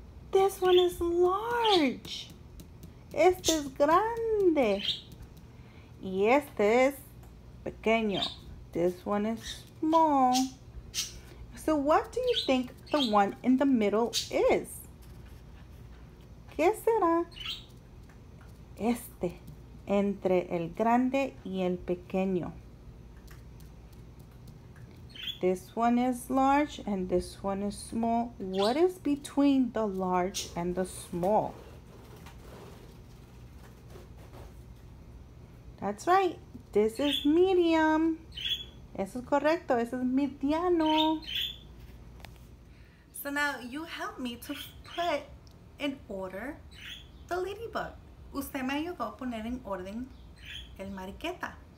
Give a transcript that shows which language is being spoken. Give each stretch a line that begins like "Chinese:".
English: This one is large.
Spanish: Este es grande. Y este es pequeño.
English: This one is small. So what do you think the one in the middle is?
Spanish: ¿Qué será este entre el grande y el pequeño?
English: This one is large and this one is small. What is between the large and the small? That's right. This is medium.
Spanish: Eso es correcto. Eso es mediano.
English: So now you help me to put in order the ladybug.
Spanish: Usted me ayudó a poner en orden el mariqueta.